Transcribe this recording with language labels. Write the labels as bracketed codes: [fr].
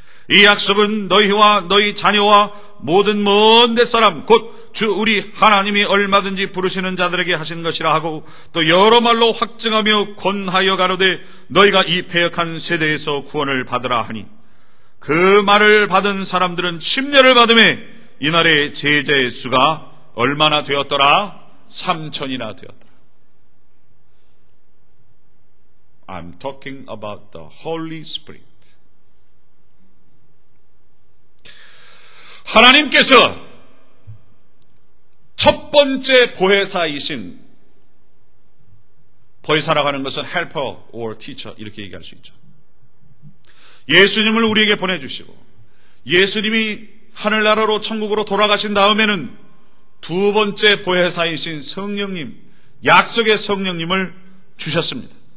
[ko] 이 약속은 너희와 너희 자녀와 모든 먼 데 사람 곧 주 우리 하나님이 얼마든지 부르시는 자들에게 하신 것이라 하고 또 여러 말로 확증하며 권하여 가로되 너희가 이 패역한 세대에서 구원을 받으라 하니 그 말을 받은 사람들은 침례를 받음에 이날의 제자의 수가 얼마나 되었더라? 3천이나 되었더라. [en] I'm talking about the Holy Spirit. [ko] 하나님께서 첫 번째 보혜사이신, 보혜사라고 하는 것은 [en] helper or teacher [ko] 이렇게 얘기할 수 있죠. 예수님을 우리에게 보내주시고 예수님이 하늘나라로 천국으로 돌아가신 다음에는 두 번째 보혜사이신 성령님, 약속의 성령님을 주셨습니다.